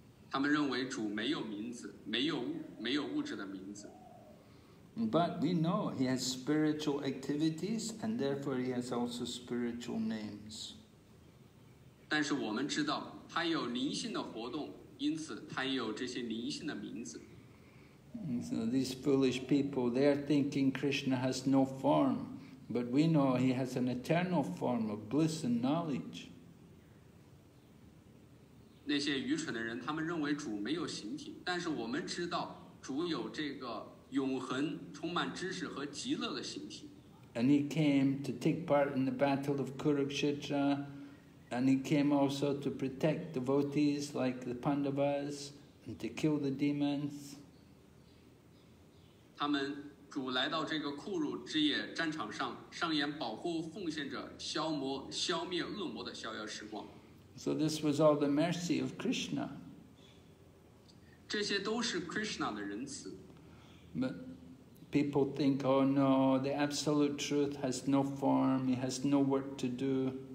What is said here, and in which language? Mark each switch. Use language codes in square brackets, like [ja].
[zh] 他们认为主没有名字，没有物质的名字。 [en] But we know he has spiritual activities, and therefore he has also spiritual names. [zh] 但是我们知道他有灵性的活动，因此他也有这些灵性的名字。 [en] So these foolish people, they're thinking Krishna has no form, but we know he has an eternal form of bliss and knowledge. [zh] 那些愚蠢的人，他们认为主没有形体，但是我们知道主有这个永恒、充满知识和极乐的形体。 [en] And he came to take part in the battle of Kurukshetra, and he came also to protect devotees like the Pandavas and to kill the demons. [zh] 他们主来到这个库鲁之野战场上，上演保护奉献者、消磨、消灭恶魔的逍遥时光。 [en] So this was all the mercy of Krishna. [zh] 这些都是Krishna的仁慈。 [en] But people think, oh no, the Absolute Truth has no form, he has no work to do.